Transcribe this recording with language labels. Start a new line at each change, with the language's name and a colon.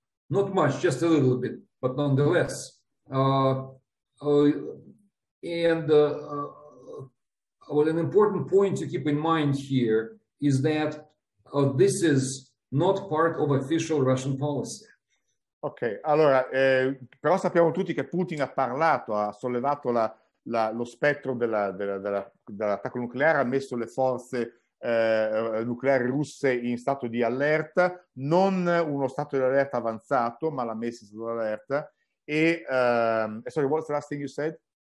English: Not much, just a little bit, but nonetheless. Well, an important point to keep in mind here is that this is not part of official Russian policy.
Italian: Ok, allora, però sappiamo tutti che Putin ha parlato, ha sollevato lo spettro dell'attacco nucleare, ha messo le forze nucleari russe in stato di allerta, non uno stato di allerta avanzato, ma l'ha messa in stato di allerta.
English: E sorry, what's the last thing you said?